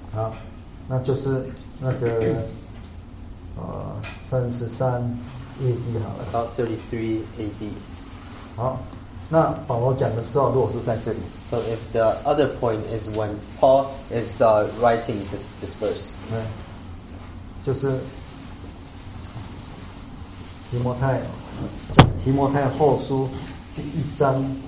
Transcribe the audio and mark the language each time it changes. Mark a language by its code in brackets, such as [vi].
[zh] 好，那就是那个33 AD 好了。 [en] About 33 AD. [zh] 好，那保罗讲的时候，如果是在这里。 [en] So if the other point is when Paul is writing this verse. [zh] 对，就是提摩太后书第一章。